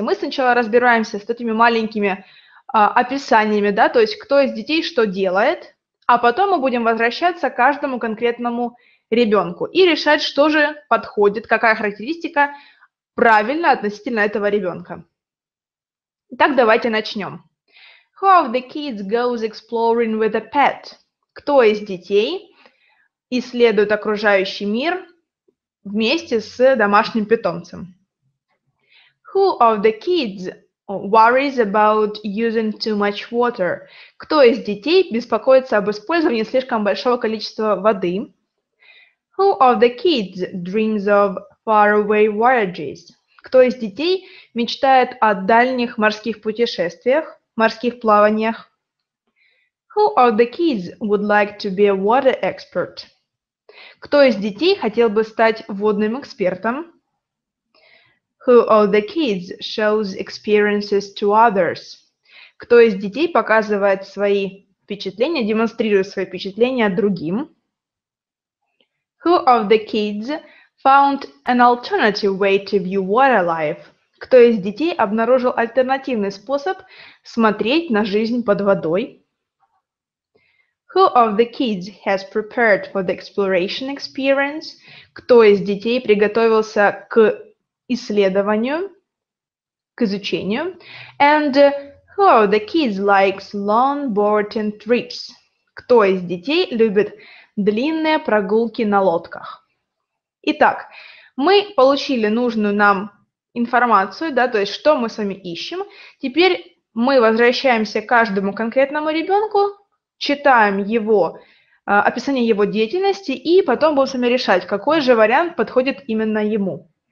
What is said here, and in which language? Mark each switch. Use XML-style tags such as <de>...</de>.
<ru>Мы сначала разбираемся с этими маленькими описаниями, да, то есть кто из детей что делает, а потом мы будем возвращаться к каждому конкретному ребенку и решать, что же подходит, какая характеристика правильна относительно этого ребенка. Итак, давайте начнем.</ru> <en>Who of the kids goes exploring with a pet?</en> <ru>Кто из детей исследует окружающий мир вместе с домашним питомцем?</ru> <en>Who of the kids worries about using too much water?</en> <ru>Кто из детей беспокоится об использовании слишком большого количества воды?</ru> <en>Who of the kids dreams of faraway voyages?</en> <ru>Кто из детей мечтает о дальних морских путешествиях, морских плаваниях?</ru> <en>Who of the kids would like to be a water expert?</en> <ru>Кто из детей хотел бы стать водным экспертом?</ru> <en>Who of the kids shows experiences to others?</en> <ru>Кто из детей показывает свои впечатления, демонстрирует свои впечатления другим?</ru> <en>Who of the kids found an alternative way to view wildlife?</en> <ru>Кто из детей обнаружил альтернативный способ смотреть на жизнь под водой?</ru> <en>Who of the kids has prepared for the exploration experience?</en> <ru>Кто из детей приготовился к исследованию, к изучению?</ru> <en>And who of the kids likes long boating trips?</en> <ru>Кто из детей любит длинные прогулки на лодках? Итак, мы получили нужную нам информацию, да, то есть что мы с вами ищем. Теперь мы возвращаемся к каждому конкретному ребенку, читаем его описание его деятельности и потом будем с вами решать, какой же вариант подходит именно ему.</ru>